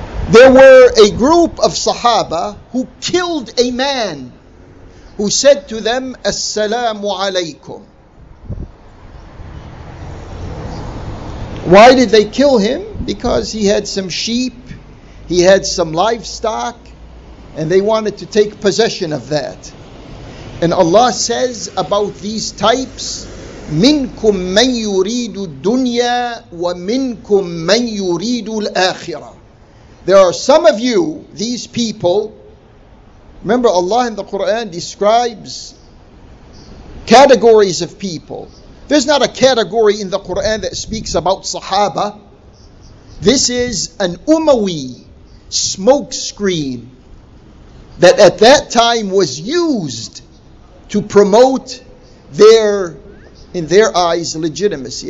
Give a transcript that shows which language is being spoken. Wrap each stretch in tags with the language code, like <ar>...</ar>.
<en>There were a group of sahaba who killed a man who said to them, "Assalamu alaykum." Why did they kill him? Because he had some sheep, he had some livestock, and they wanted to take possession of that. And Allah says about these types,</en> <ar>مِنْكُمْ مَنْ يُرِيدُ الدُّنْيَا وَمِنْكُمْ مَنْ يُرِيدُ الْآخِرَةِ.</ar> <en>there are some of you, these people. Remember, Allah in the Quran describes categories of people. There's not a category in the Quran that speaks about Sahaba. This is an Umawi smokescreen that at that time was used to promote their, in their eyes, legitimacy.</en>